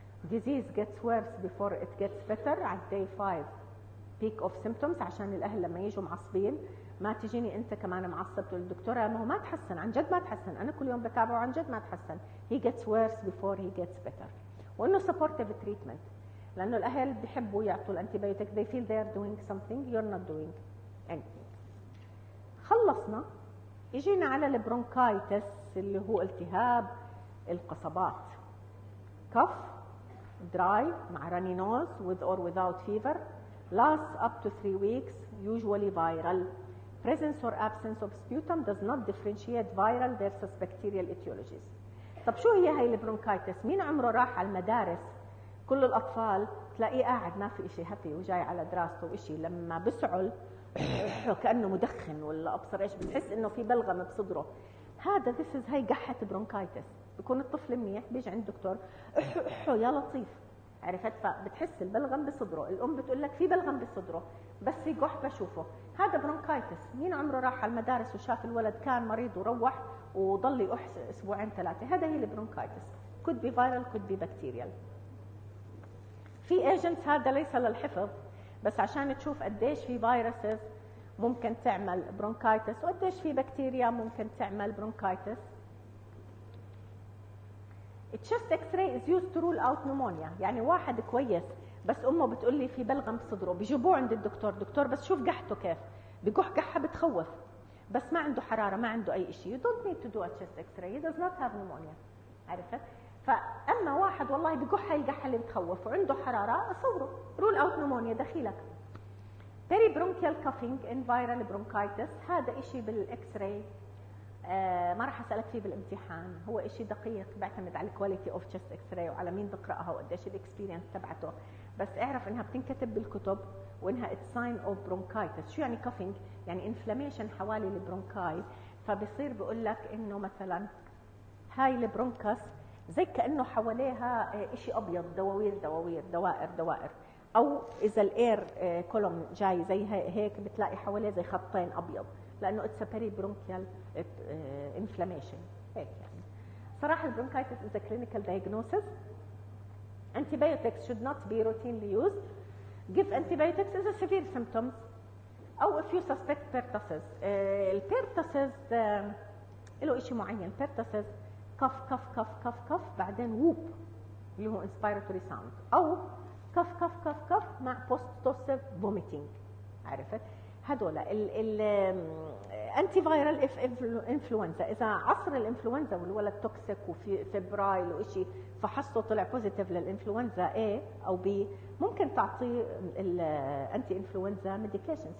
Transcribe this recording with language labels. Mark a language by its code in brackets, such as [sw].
[en] Disease gets worse before it gets better at day 5 peak of symptoms. [ar] عشان الأهل لما يجوا معصبين ما تجيني أنت كمان معصب تقول الدكتورة ما هو ما تحسن عن جد ما تحسن أنا كل يوم بتابعه عن جد ما تحسن. [en] He gets worse before he gets better. [ar] وأنه supportive treatment لأنه الأهل بيحبوا يعطوا الأنتيبيوتيك. [en] They feel they are doing something. You're not doing anything. [ar] خلصنا. يجينا على البرونكايتس اللي هو التهاب القصبات. [en] كف dry مع runny nose with or without fever lasts up to 3 weeks usually viral presence or absence of sputum does not differentiate viral versus bacterial etiologies. [ar] طب شو هي هاي البرونكايتس؟ مين عمره راح على المدارس كل الاطفال تلاقيه قاعد ما في اشي هابي وجاي على دراسته واشي لما بسعل كانه مدخن ولا ابصر ايش بتحس انه في بلغم بصدره هذا this is هاي قحة برونكايتس. بكون الطفل منيح بيجي عند الدكتور يا لطيف عرفت فبتحس البلغم بصدره الام بتقول لك في بلغم بصدره بس في قح بشوفه هذا برونكايتس. مين عمره راح على المدارس وشاف الولد كان مريض وروح وضل يقحس اسبوعين ثلاثه هذا هي البرونكايتس. كود بي فايرال كود بي بكتيريال. في ايجنتس هذا ليس للحفظ بس عشان تشوف قديش في فيروسز ممكن تعمل برونكايتس وقديش في بكتيريا ممكن تعمل برونكايتس. [en] Chest X-ray is used to rule out pneumonia. [ar] يعني واحد كويس بس أمه بتقول لي في بلغم بصدره بيجيبوه عند الدكتور. دكتور بس شوف قحته كيف بقح قحة بتخوف بس ما عنده حرارة ما عنده أي شيء. [en] You don't need to do a chest X-ray. He does not have pneumonia. [ar] عرفت؟ فأما واحد والله بقح هاي القحة اللي بتخوف وعنده حرارة صوره rule out pneumonia دخيلك. [en] Peribronchial coughing in viral bronchitis. [ar] هذا إشي بالX-ray ما راح أسألك فيه بالامتحان. هو إشي دقيق بعتمد على [en] quality of chest X-ray [ar] وعلى مين بقرأها وقديش الإكسبيرينس تبعته. بس اعرف إنها بتنكتب بالكتب وإنها [en] it's sign of bronchitis. [ar] شو يعني coughing؟ يعني inflammation حوالي البرونكاي. فبصير بقول لك إنه مثلا هاي البرونكاس زي كأنه حواليها إشي أبيض دواوير دواوير دوائر دوائر. أو إذا الأير كولوم جاي زي هيك بتلاقي حواليه زي خطين أبيض لأنه [en] it's a peribronchial inflammation. [ar] هيك يعني. [en] صراحة البرونكايتس is a clinical diagnosis. Antibiotics should not be routinely used. Give antibiotics is a severe symptoms. أو if you suspect pertussis. [ar] Pertussis له إشي معين. [en] Pertussis cough cough cough cough cough بعدين whoop اللي هو inspiratory sound. أو cough cough cough cough مع post-tussive vomiting. [ar] عرفت؟ هذولا ال انتي فايرال اف انفلونزا. اذا عصر الانفلونزا والولد توكسيك وفي فيبرايل وشيء فحصته طلع بوزيتيف للانفلونزا اي او بي ممكن تعطي الانتي انفلونزا ميديكيشنز.